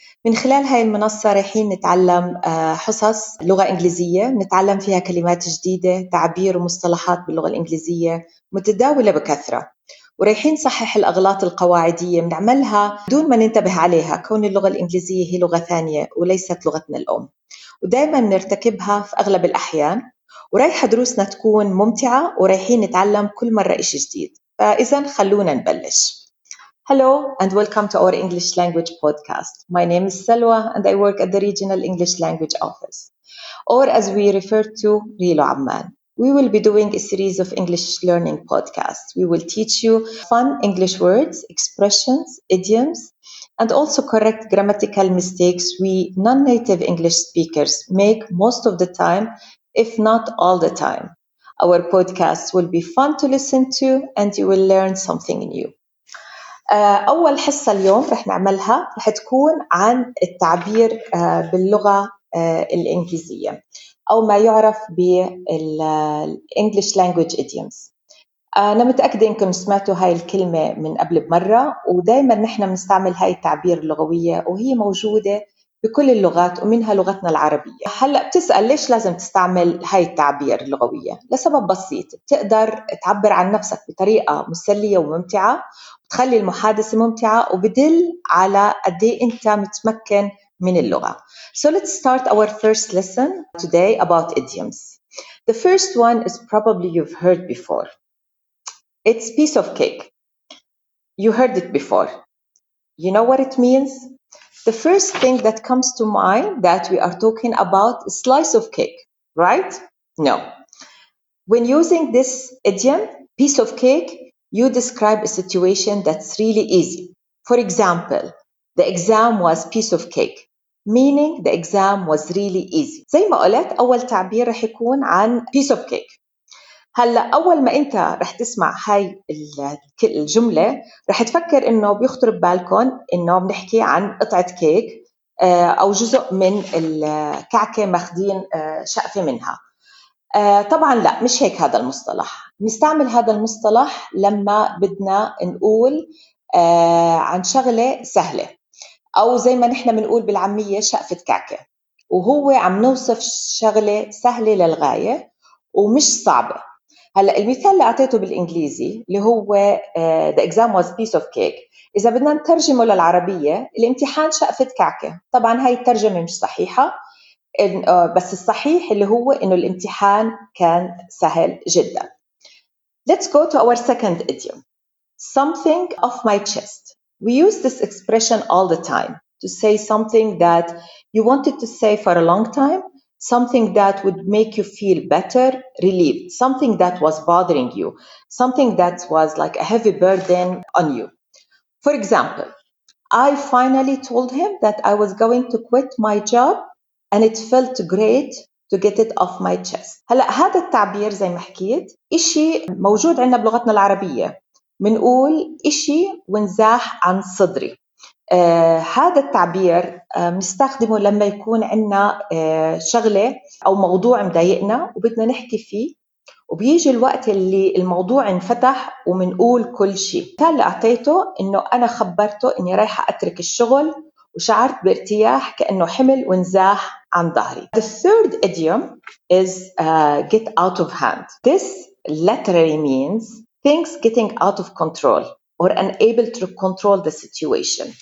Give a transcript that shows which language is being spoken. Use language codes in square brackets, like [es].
[ar] من خلال هاي المنصة رايحين نتعلم حصص لغة إنجليزية، نتعلم فيها كلمات جديدة، تعبير ومصطلحات باللغة الإنجليزية متداولة بكثرة، ورايحين نصحح الأغلاط القواعدية بنعملها دون ما ننتبه عليها، كون اللغة الإنجليزية هي لغة ثانية وليست لغتنا الأم، ودائماً نرتكبها في أغلب الأحيان. ورايحة دروسنا تكون ممتعة ورايحين نتعلم كل مرة إشي جديد، فإذن خلونا نبلش. [en] Hello and welcome to our English language podcast. My name is Salwa and I work at the regional English language office, or as we refer to, Rilo Amman. We will be doing a series of English learning podcasts. We will teach you fun English words, expressions, idioms, and also correct grammatical mistakes we non-native English speakers make most of the time, if not all the time. Our podcasts will be fun to listen to and you will learn something new. [ar] أول حصة اليوم رح نعملها رح تكون عن التعبير باللغة الإنجليزية أو ما يعرف بالـ English Language Idioms. أنا متأكدة إنكم سمعتوا هاي الكلمة من قبل بمرة، ودائماً نحن بنستعمل هاي التعبير اللغوية وهي موجودة بكل اللغات ومنها لغتنا العربية. هلأ بتسأل ليش لازم تستعمل هاي التعبير اللغوية؟ لسبب بسيط، بتقدر تعبر عن نفسك بطريقة مسلية وممتعة، تخلي المحادثة ممتعة وبدل على قدي أنت متمكن من اللغة. [en] So let's start our first lesson today about idioms. The first one is probably you've heard before. It's piece of cake. You heard it before. You know what it means? The first thing that comes to mind that we are talking about is slice of cake, right? No. When using this idiom, piece of cake, you describe a situation that's really easy. For example, the exam was piece of cake, meaning the exam was really easy. [ar] زي ما قلت أول تعبير رح يكون عن piece of cake. هلأ أول ما أنت رح تسمع هاي الجملة رح تفكر إنه بيخطر ببالكم إنه بنحكي عن قطعة كيك أو جزء من الكعكة مخدين شقفة منها. طبعاً لا، مش هيك هذا المصطلح. نستعمل هذا المصطلح لما بدنا نقول عن شغلة سهلة أو زي ما نحن بنقول بالعامية شقفة كعكة، وهو عم نوصف شغلة سهلة للغاية ومش صعبة. هلأ المثال اللي أعطيته بالإنجليزي اللي هو [en] the exam was piece of cake، [ar] إذا بدنا نترجمه للعربية الامتحان شقفة كعكة، طبعاً هاي الترجمة مش صحيحة، بس الصحيح اللي هو إنه الامتحان كان سهل جداً. [en] Let's go to our second idiom. Something off my chest. We use this expression all the time to say something that you wanted to say for a long time, something that would make you feel better, relieved, something that was bothering you, something that was like a heavy burden on you. For example, I finally told him that I was going to quit my job and it felt great to get it off my chest. [ar] هلأ هذا التعبير زي ما حكيت إشي موجود عندنا بلغتنا العربية، منقول إشي ونزاح عن صدري. هذا التعبير نستخدمه لما يكون عندنا شغلة أو موضوع مضايقنا وبدنا نحكي فيه، وبيجي الوقت اللي الموضوع انفتح ومنقول كل شيء. مثال اللي أعطيته إنه أنا خبرته إني رايحة أترك الشغل وشعرت بارتياح كأنه حمل ونزاح عن ظهري. [en] The third idiom is get out of hand. This literally means things getting out of control or unable to control the situation.